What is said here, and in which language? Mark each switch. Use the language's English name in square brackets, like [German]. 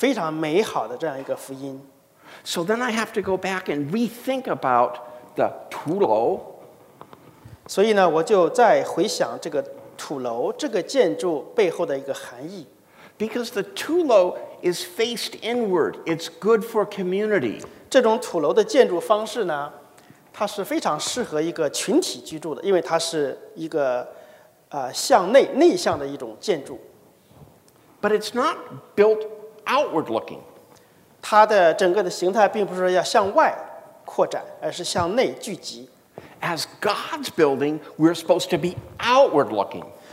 [Chinese] 接着彼得告诉我,你还是有目的的。这样一个人生是有目的,就是被神拣选出来,宣告他把我们从黑暗的国度救出来,引入他光明的国度,这样一个非常美好的这样一个福音。 [English] So then I have to go back and rethink about the 土楼. [Chinese] 所以呢,我就再回想这个土楼,这个建筑背后的一个含义。 [English] Because the 土楼 is faced inward. It's good for community. [Chinese] 这种土楼的建筑方式呢,它是非常适合一个群体居住的,因为它是一个向内,内向的一种建筑。 [English] But it's not built outward looking. [Chinese] 它的整个的形态并不是要向外扩展,而是向内聚集。 [English] As God's building, we're supposed to be outward looking.